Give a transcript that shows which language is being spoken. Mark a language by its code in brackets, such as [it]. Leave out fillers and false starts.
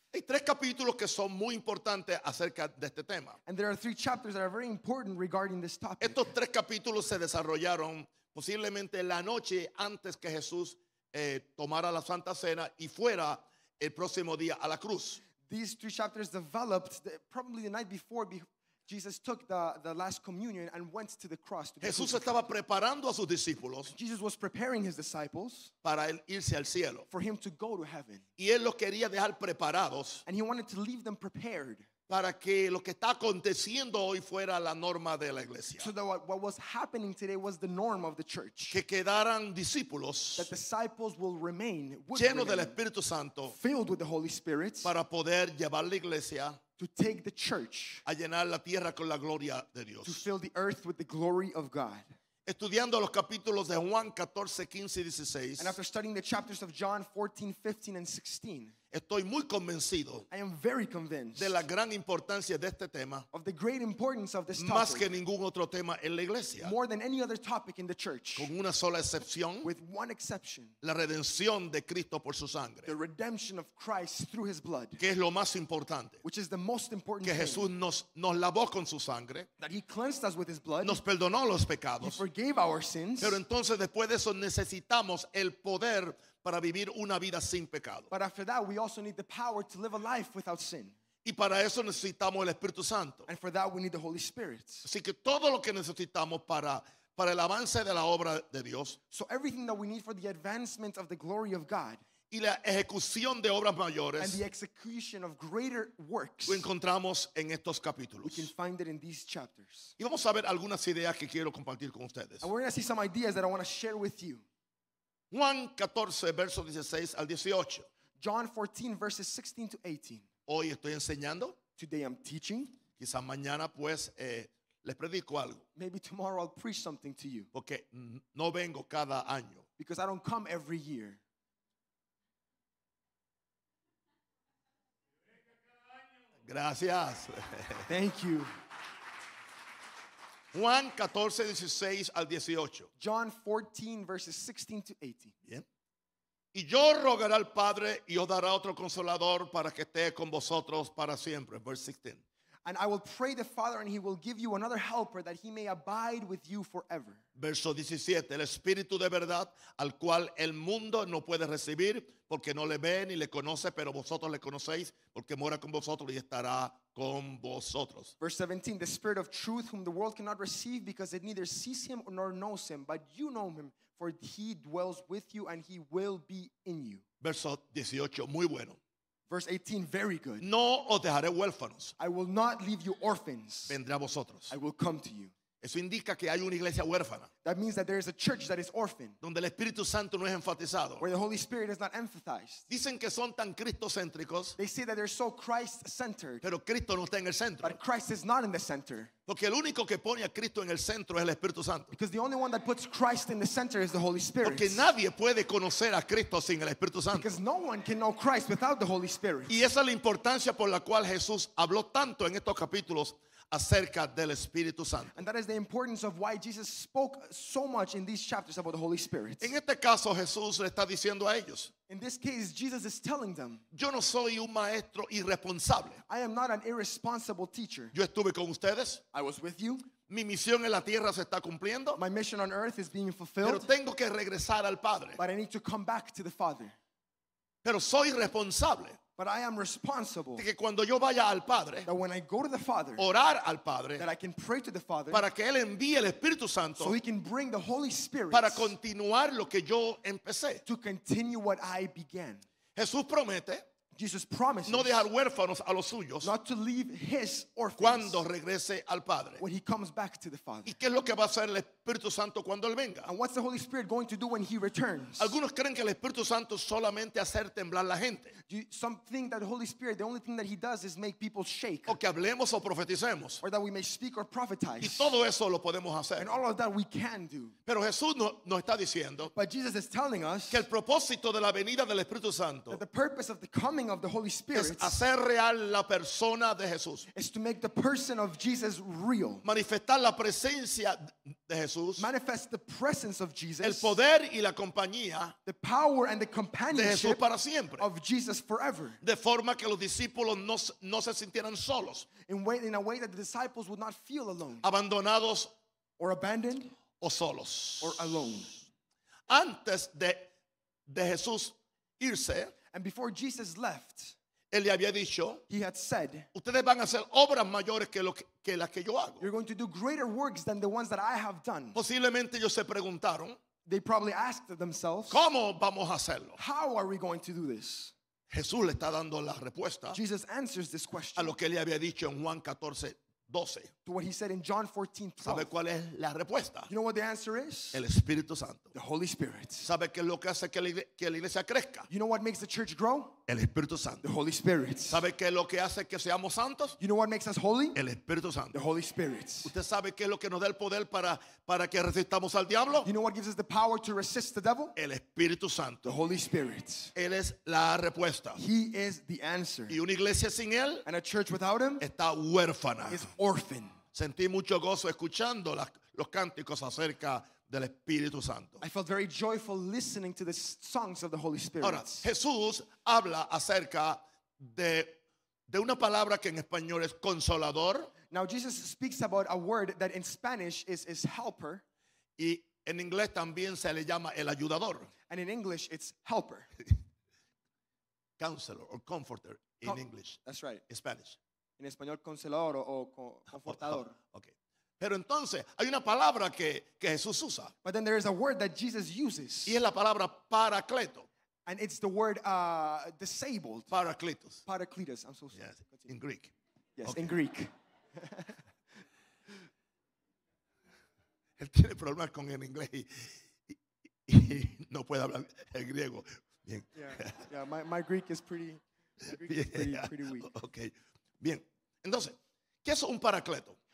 [es] Hay 3 capítulos que son muy importantes acerca de este tema. [en] And there are 3 chapters that are very important regarding this topic. [es] Estos 3 capítulos se desarrollaron posiblemente la noche antes que Jesús tomara la Santa Cena y fuera el próximo día a la cruz. [en] These 3 chapters developed probably the night before Jesus took the last communion and went to the cross. [es] Jesús estaba preparando a sus discípulos. [en] Jesus was preparing his disciples. [es] Para él irse al cielo. [en] For him to go to heaven. [es] Y él los quería dejar preparados. [en] And he wanted to leave them prepared. [es] Para que lo que está aconteciendo hoy fuera la norma de la iglesia. [en] So that what was happening today was the norm of the church. [es] Que quedaran discípulos. [en] That disciples will remain. [es] Llenos del Espíritu Santo. [en] Filled with the Holy Spirit. [es] Para poder llevar la iglesia. [en] To take the church. [es] A llenar la tierra con la gloria de Dios. [en] To fill the earth with the glory of God. [es] Estudiando los capítulos de Juan 14, 15 y 16. [en] And after studying the chapters of John 14, 15 and 16. [es] Estoy muy convencido. [en] I am very convinced. [es] De la gran importancia de este tema. [en] Of the great importance of this topic. [es] Más que ningún otro tema en la iglesia. [en] More than any other topic in the church. [es] Con una sola excepción. [en] With one exception. [es] La redención de Cristo por su sangre. [en] The redemption of Christ through his blood. [es] Que es lo más importante. [en] Which is the most important thing. [es] Que Jesús nos lavó con su sangre. [en] That he cleansed us with his blood. [es] Nos perdonó los pecados. [en] He forgave our sins. [es] Pero entonces después de eso necesitamos el poder para vivir una vida sin pecado. [en] But after that, we also need the power to live a life without sin. [es] Y para eso necesitamos el Espíritu Santo. [en] And for that, we need the Holy Spirit. [es] Así que todo lo que necesitamos para el avance de la obra de Dios. [en] So everything that we need for the advancement of the glory of God. [es] Y la ejecución de obras mayores. [en] And the execution of greater works. [es] Lo encontramos en estos capítulos. [en] We can find it in these chapters. [es] Y vamos a ver algunas ideas que quiero compartir con ustedes. [en] And we're going to see some ideas that I want to share with you. [es] Juan 14, versos 16 al 18. [en] John 14, verses 16 to 18. [es] Hoy estoy enseñando. [en] Today I'm teaching. [es] Quizá mañana, pues, les predico algo. [en] Maybe tomorrow I'll preach something to you. [es] Porque no vengo cada año. [en] Because I don't come every year. [es] Gracias. [en] Thank you. [es] Juan 14, 16 al 18. [en] John 14, verses 16 to 18. [es] Bien. Y yo rogaré al Padre y os dará otro Consolador para que esté con vosotros para siempre. [en] Verse 16. And I will pray the Father, and he will give you another helper that he may abide with you forever. [es] Verso 17, el Espíritu de verdad, al cual el mundo no puede recibir, porque no le ve ni le conoce, pero vosotros le conocéis, porque mora con vosotros y estará con vosotros. [en] Verse 17, the Spirit of truth, whom the world cannot receive, because it neither sees him nor knows him, but you know him, for he dwells with you, and he will be in you. [es] Verso 18, muy bueno. [en] Verse 18, very good. [es] No os dejaré huérfanos. [en] I will not leave you orphans. [es] Vendré a vosotros. [en] I will come to you. [es] Eso indica que hay una iglesia huérfana. [en] That means that there is a church that is orphan. [es] Donde el Espíritu Santo no es enfatizado. [en] Where the Holy Spirit is not emphasized. [es] Dicen que son tan cristocéntricos. [en] They say that they're so Christ-centered. [es] Pero Cristo no está en el centro. [en] But Christ is not in the center. [es] Porque el único que pone a Cristo en el centro es el Espíritu Santo. [en] Because the only one that puts Christ in the center is the Holy Spirit. [es] Porque nadie puede conocer a Cristo sin el Espíritu Santo. [en] Because no one can know Christ without the Holy Spirit. [es] Y esa es la importancia por la cual Jesús habló tanto en estos capítulos acerca del Espíritu Santo. [en] And that is the importance of why Jesus spoke so much in these chapters about the Holy Spirit. [es] En este caso, Jesús le está diciendo a ellos, [en] in this case, Jesus is telling them, [es] yo no soy un maestro irresponsable. [en] I am not an irresponsible teacher. [es] Yo estuve con ustedes. [en] I was with you. [es] Mi misión en la tierra se está cumpliendo. [en] My mission on earth is being fulfilled. [es] Pero tengo que regresar al Padre. [en] But I need to come back to the Father. [es] Pero soy responsable. [en] But I am responsible. [es] De que cuando yo vaya al Padre, [en] that when I go to the Father, [es] orar al Padre, [en] that I can pray to the Father, [es] para que él envíe el Espíritu Santo, [en] so he can bring the Holy Spirit, [es] para continuar lo que yo empecé, [en] to continue what I began. [es] Jesús promete, [en] Jesus promises, [es] no dejar huérfanos a los suyos, [en] not to leave his orphans, [es] cuando regrese al Padre, [en] when he comes back to the Father. [es] ¿Y qué es lo que va a hacer el Espíritu Santo cuando él venga? [en] And what's the Holy Spirit going to do when he returns? [es] Algunos creen que el Espíritu Santo solamente hacer temblar la gente. [en] Some think that the Holy Spirit, the only thing that he does is make people shake. [es] O que hablemos o profeticemos. [en] Or that we may speak or prophesize. [es] Y todo eso lo podemos hacer. [en] And all of that we can do. [es] Pero Jesús nos está diciendo, [en] but Jesus is telling us, [es] que el propósito de la venida del Espíritu Santo, [en] that the purpose of the coming of the Holy Spirit, [es] es hacer real la persona de Jesús. [en] Is to make the person of Jesus real. [es] Manifestar la presencia de Jesús. [en] Manifest the presence of Jesus, [es] el poder y la compañía, [en] the power and the companionship [es] de Jesús para siempre, [en] of Jesus forever, [es] de forma que los discípulos no se sintieran solos, [en] in a way that the disciples would not feel alone, [es] abandonados, [en] or abandoned, [es] o solos, [en] or alone. [es] Antes de Jesús irse, [en] and before Jesus left, [es] él le había dicho, [en] he had said, [es] ustedes van a hacer obras mayores que las que yo hago. [en] You're going to do greater works than the ones that I have done. [es] Posiblemente ellos se preguntaron, [en] they probably asked themselves, [es] ¿cómo vamos a hacerlo? [en] How are we going to do this? [es] Jesús le está dando la respuesta, [en] Jesus answers this question, [es] a lo que él le había dicho en Juan 14, 12. [en] To what he said in John 14, 12. [es] ¿Sabe cuál es la respuesta? [en] You know what the answer is? [es] El Espíritu Santo. [en] The Holy Spirit. [es] ¿Sabe qué es lo que hace que la iglesia crezca? [en] You know what makes the church grow? [es] El Espíritu Santo. [en] The Holy Spirit. [es] ¿Sabe qué es lo que hace que seamos santos? [en] You know what makes us holy? [es] El Espíritu Santo. [en] The Holy Spirit. [es] ¿Usted sabe qué es lo que nos da el poder para que resistamos al diablo? [en] You know what gives us the power to resist the devil? [es] El Espíritu Santo. [en] The Holy Spirit. [es] Él es la respuesta. [en] He is the answer. [es] Y una iglesia sin él, [en] and a church without him, [es] está huérfana. [en] Is orphan. [es] Sentí mucho gozo escuchando los cánticos acerca del Espíritu Santo. [en] I felt very joyful listening to the songs of the Holy Spirit. [es] Ahora, Jesús habla acerca de una palabra que en español es consolador. [en] Now Jesus speaks about a word that in Spanish is helper. [es] Y en inglés también se le llama el ayudador. [en] And in English it's helper. Counselor or comforter in English. That's right. In Spanish. [es] En español consolador o confortador. [en] Okay. [es] Pero entonces hay una palabra que Jesús usa. [en] But then there is a word that Jesus uses. [es] Y es la palabra paracleto. [en] And it's the word disabled. [es] Paracletos. [en] Paracletos, I'm so sorry. Yes, in Greek. Yes, okay. In Greek. [es] Él tiene problemas con el inglés y no puede hablar el griego. Bien. [en] Yeah, my Greek is pretty, pretty weak. Okay. [es] Bien. Entonces, ¿qué es un paracleto?